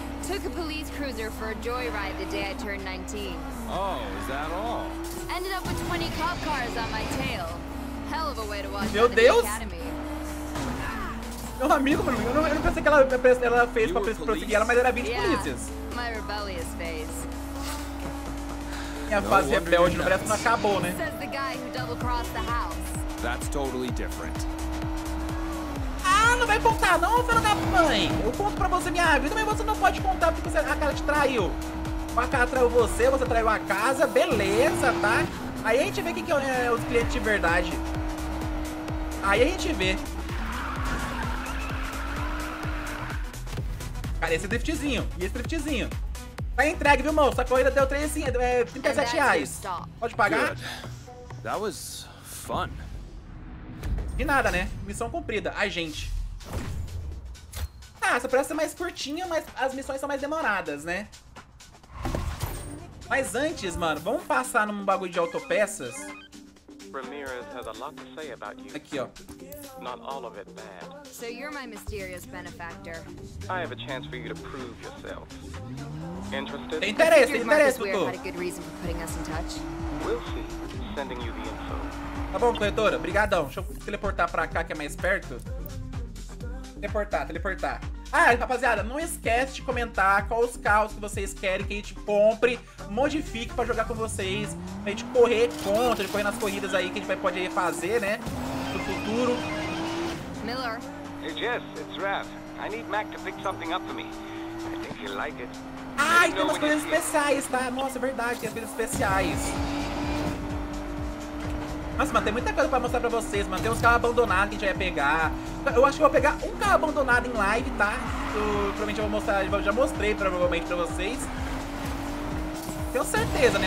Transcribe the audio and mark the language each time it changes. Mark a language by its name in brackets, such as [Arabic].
[English] Took a police cruiser for a joyride the day I turned 19. Oh, is that all? Ended up with 20 cop cars on my tail. Hell of a way to watch. [Portuguese] Meu Deus! Meu amigo, mano, eu não pensei que ela fez pra prosseguir ela, mas era 20 polícias. [English] My rebellious face. [Portuguese] Minha fase rebelde no Brasil não acabou, né? [English] Says the guy who double-crossed the house. That's totally different. [Portuguese] Ah, não vai contar não, filho da mãe! Eu conto pra você minha vida, mas você não pode contar porque a cara te traiu. A cara traiu você traiu a casa, beleza, tá? Aí a gente vê quem que é os clientes de verdade. Aí a gente vê. Cara, esse driftzinho. E esse driftzinho. Tá entregue, viu, moço? A corrida deu R$37. Pode pagar? [English] That was fun. [Portuguese] De nada, né? Missão cumprida. Ai, gente. Ah, essa parece ser mais curtinha, mas as missões são mais demoradas, né? Mas antes, mano, vamos passar num bagulho de autopeças. [English] Ramirez has a lot to say about you. [Portuguese] Aqui, ó. [English] Not all of it bad. So you're my mysterious benefactor. I have a chance for you to prove yourself. Interested? [Portuguese] Tem interesse, doutor. [English] Had a good reason for putting us in touch. We'll see. Sending you the info. [Portuguese] Tá bom, corretora. Obrigadão. Deixa eu teleportar pra cá, que é mais perto. Teleportar. Ah, rapaziada, não esquece de comentar quais os carros que vocês querem que a gente compre, modifique pra jogar com vocês, pra gente correr contra, de correr nas corridas aí que a gente vai poder fazer, né? No futuro. [English] Miller. Hey, Jess, it's Rav. I need Mac to pick something up for me. I think he'll like it. [Portuguese] Ah, e tem umas coisas especiais, tá? Nossa, é verdade, tem as coisas especiais. Nossa, mano, tem muita coisa pra mostrar pra vocês, mano. Tem uns carros abandonados que a gente vai pegar. Eu acho que eu vou pegar um carro abandonado em live, tá? Provavelmente eu vou mostrar, eu já mostrei provavelmente pra vocês. Tenho certeza, né?